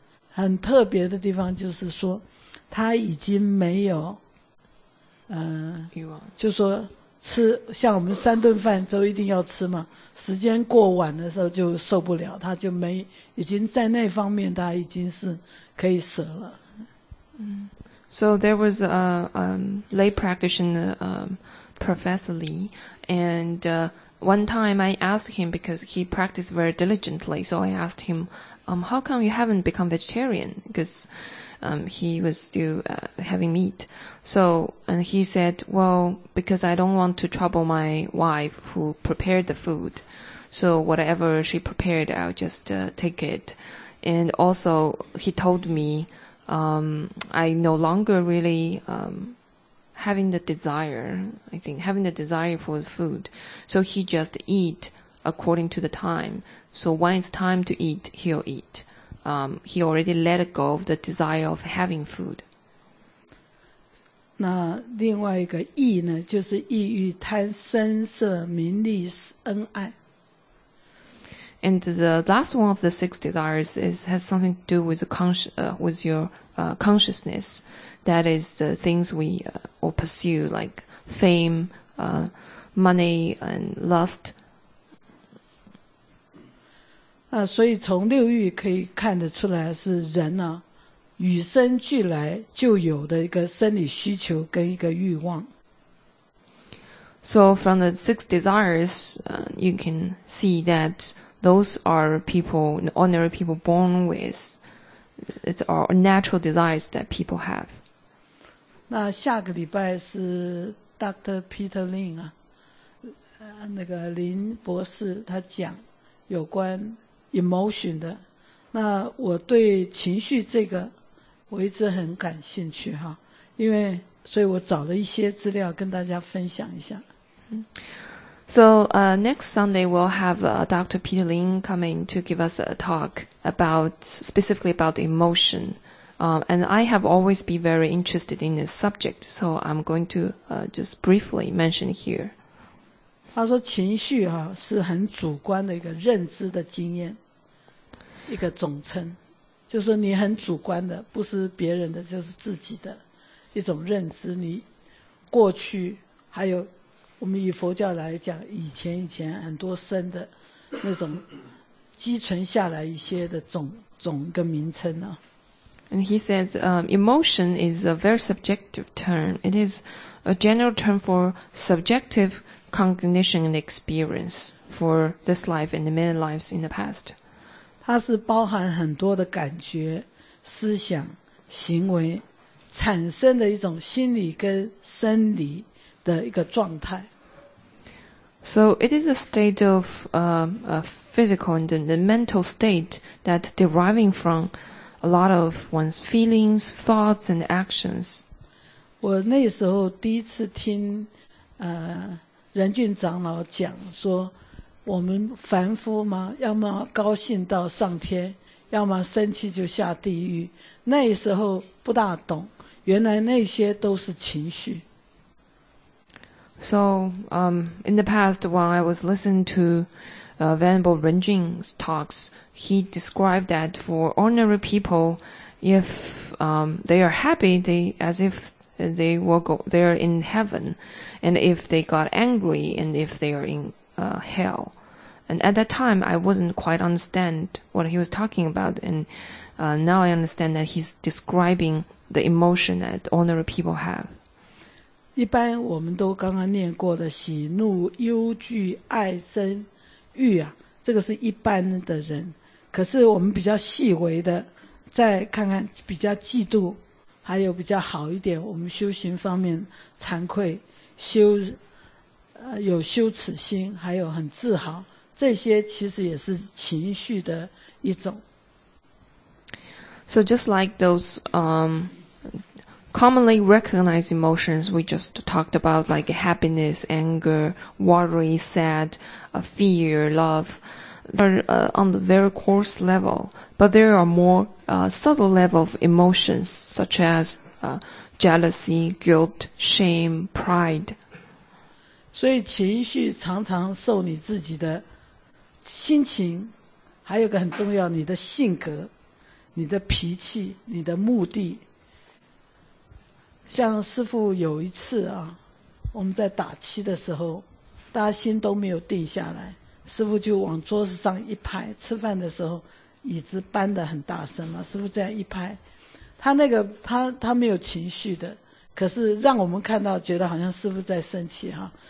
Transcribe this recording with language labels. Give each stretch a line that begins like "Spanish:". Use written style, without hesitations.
Chinese: 很特别的地方就是说他已经没有欲望，就说吃像我们三顿饭都一定要吃嘛，时间过晚的时候就受不了，他就没，已经在那方面他已经是可以舍了。
English: 嗯，So there was a lay practitioner, Professor Lee, and one time I asked him, because he practiced very diligently, so I asked him, how come you haven't become vegetarian? Because he was still having meat. So, and he said, well, because I don't want to trouble my wife who prepared the food. So whatever she prepared, I'll just take it. And also he told me,I no longer really having the desire, I think, having the desire for the food. So he just eat according to the time. So when it's time to eat, he'll eat. He already let go of the desire of having food.
Chinese: 那另外一个意呢，就是意欲贪声色名利恩爱。
English: And the last one of the six desires is, has something to do with, with your consciousness. That is the things we will pursue, like fame, money, and lust.
Chinese: 所以从六欲可以看得出来是人啊，与生俱来就有的一个生理需求跟一个欲望。
English: So from the six desires, you can see thatThose are people, ordinary people born with. It's our natural desires that people have.
Chinese: 那下个礼拜是 Dr. Peter Lin 啊，那个林博士他讲有关 emotion 的。那我对情绪这个我一直很感兴趣哈，因为所以我找了一些资料跟大家分享一下。嗯。
English: So next Sunday we'll have Dr. Peter Lin coming to give us a talk about specifically about emotion, and I have always been very interested in this subject, so I'm going to just briefly mention here.
Chinese: 他说情绪啊是很主观的一个认知的经验，一个总称，就是你很主观的，不是别人的，就是自己的一种认知，你过去还有。我们以佛教来讲，以前很多生的那种积存下来一些的总一个名称呢、啊。
English: And he says, emotion is a very subjective term. It is a general term for subjective cognition and experience for this life and many lives in the past.
Chinese: 它是包含很多的感觉、思想、行为产生的一种心理跟生理的一个状态。
English: So it is a state of a physical and the mental state that deriving from a lot of one's feelings, thoughts, and actions.
Chinese: 我那时候第一次听任俊长老讲说，我们凡夫嘛，要么高兴到上天，要么生气就下地狱。那时候不大懂，原来那些都是情绪。
English: So, in the past, when I was listening to Venerable Renjing's talks, he described that for ordinary people, if they are happy, they, as if they were they are in heaven, and if they got angry, and if they are in hell. And at that time, I wasn't quite understand what he was talking about, and now I understand that he's describing the emotion that ordinary people have.
Chinese: 一般我们都刚刚念过的喜怒忧惧爱憎欲啊，这个是一般的人，可是我们比较细微的再看看，比较嫉妒，还有比较好一点，我们修行方面惭愧羞有羞耻心，还有很自豪，这些其实也是情绪的一种。
English: So just like those commonly recognized emotions we just talked about, like happiness, anger, worry, sad, fear, love. are on the very coarse level, but there are more subtle level of emotions such as jealousy, guilt, shame, pride.
Chinese: 所以情绪常常受你自己的心情，还有个很重要，你的性格，你的脾气，你的目的。像师父有一次啊，我们在打气的时候，大家心都没有定下来，师父就往桌子上一拍，吃饭的时候椅子搬得很大声嘛，师父这样一拍，他那个他没有情绪的，可是让我们看到觉得好像师父在生气哈。